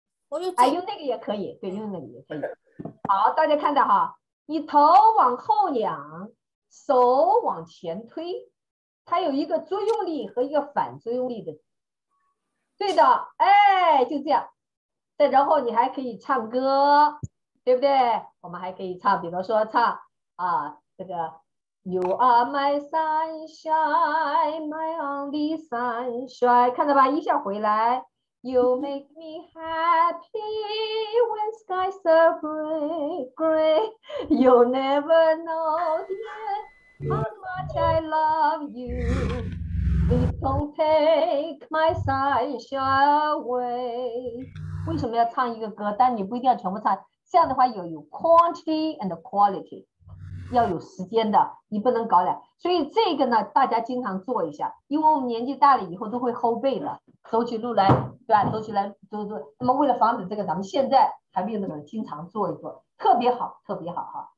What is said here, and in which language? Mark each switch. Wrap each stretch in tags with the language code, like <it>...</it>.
<zh>用那个也可以，对，用那个也可以。好，大家看到哈，你头往后仰，手往前推，它有一个作用力和一个反作用力的，对的，哎，就这样。再然后你还可以唱歌。对不对？我们还可以唱，比如说唱啊，这个</zh> <en>You are my sunshine, my only sunshine，</en> <zh>看到吧，一下回来。</zh> <en>You make me happy when skies are gray. You never know yet how much I love you. Lift Don't take my sunshine away.</en> <zh>为什么要唱一个歌？但你不一定要全部唱。这样的话，有</zh> <en>quantity and quality，</en> <zh>要有时间的，你不能搞两。所以这个呢，大家经常做一下，因为我们年纪大了以后都会后背了，走起路来，对吧？走起来，走。那么为了防止这个，咱们现在还没有那个，经常做一做，特别好，特别好哈。</zh>